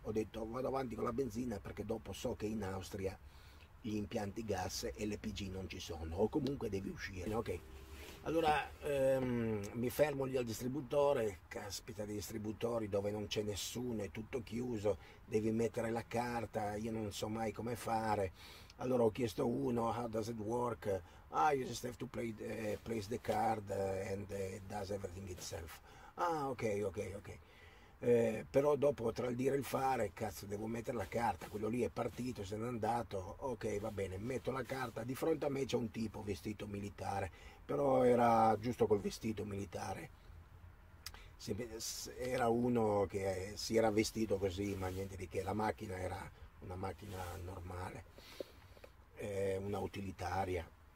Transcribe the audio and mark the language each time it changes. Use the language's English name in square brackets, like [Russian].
[Italian] Ho detto: vado avanti con la benzina perché dopo so che in Austria gli impianti gas e LPG non ci sono, o comunque devi uscire. Ok, allora mi fermo lì al distributore. Caspita, dei distributori dove non c'è nessuno, è tutto chiuso, devi mettere la carta, io non so mai come fare. Allora ho chiesto uno: [English] how does it work? Ah, you just have to place the card and it does everything itself. Ah, ok. [Italian] Però dopo, tra il dire e il fare, cazzo, devo mettere la carta. Quello lì è partito, se n'è andato. Ok, va bene, metto la carta. Di fronte a me c'è un tipo vestito militare, però era giusto col vestito militare. Era uno che si era vestito così, ma niente di che. La macchina era una macchina normale, una utilitaria.